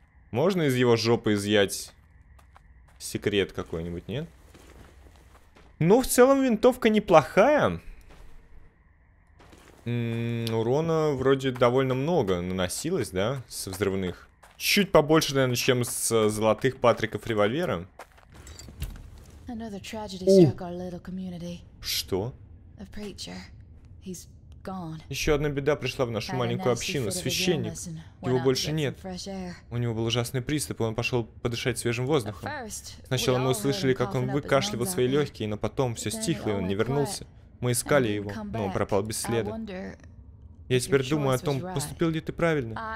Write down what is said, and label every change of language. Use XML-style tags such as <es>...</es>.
<ru>Можно из его жопы изъять секрет какой-нибудь, нет? Ну, в целом, винтовка неплохая. Урона вроде довольно много наносилось, да, с взрывных. Чуть побольше, наверное, чем с золотых патриков револьвера.</ru> <en>Another tragedy struck our little community.</en> <ru>Что?</ru> <en>A preacher. He's gone.</en> <ru>Еще одна беда пришла в нашу маленькую общину. Священник. Его больше нет. У него был ужасный приступ, и он пошел подышать свежим воздухом. Сначала мы услышали, как он выкашливал свои легкие, но потом все стихло, и он не вернулся. Мы искали его, но он пропал без следа. Я теперь думаю о том, поступил ли ты правильно.</ru>